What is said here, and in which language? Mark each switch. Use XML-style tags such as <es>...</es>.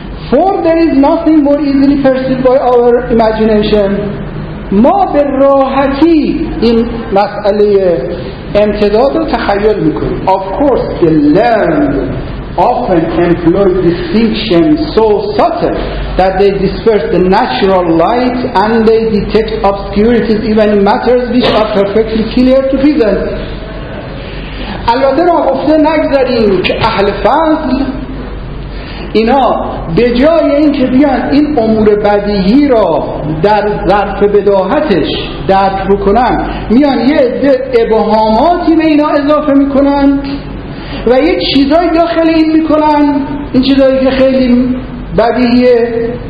<en>For there is nothing more easily perceived by our imagination.</en> <fa>ما به راحتی این مسئله امتداد رو تخیل میکنیم.</fa> <en>Of course the learned often employ distinctions so subtle that they disperse the natural light and they detect obscurities even in matters which are perfectly clear to reason.</en> <fa>البته ما گفته نگذاریم که اهل فضل اینا به جای اینکه بیان این امور بدیهی را در ظرف بداهتش درک بکنن، میان یه عده ابهاماتی به اینا اضافه میکنن و یه چیزایی داخل این میکنن، این چیزایی که خیلی بدیهیه،</fa>